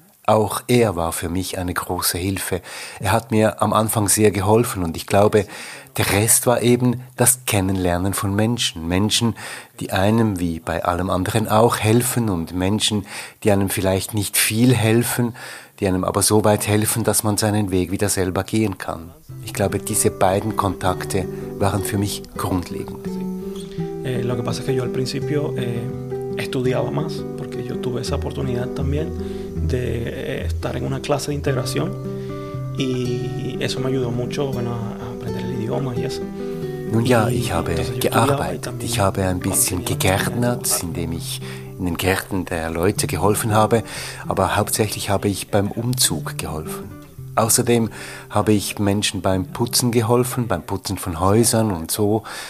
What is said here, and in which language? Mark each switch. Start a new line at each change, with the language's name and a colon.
German: Auch er war für mich eine große Hilfe. Er hat mir am Anfang sehr geholfen und ich glaube, der Rest war eben das Kennenlernen von Menschen. Menschen, die einem wie bei allem anderen auch helfen, und Menschen, die einem vielleicht nicht viel helfen, die einem aber so weit helfen, dass man seinen Weg wieder selber gehen kann. Ich glaube, diese beiden Kontakte waren für mich grundlegend.
Spanish: Lo que pasa es que yo al principio estudiaba más, porque yo tuve esa oportunidad también de estar en una clase de integración y eso me ayudó mucho, bueno, a aprender el idioma y eso.
German: Nun ja, ich habe gearbeitet, ich habe ein bisschen gegärtnert, indem ich in den Gärten der Leute geholfen habe, aber hauptsächlich habe ich beim Umzug geholfen. Außerdem habe ich Menschen beim Putzen geholfen, beim Putzen von Häusern und so.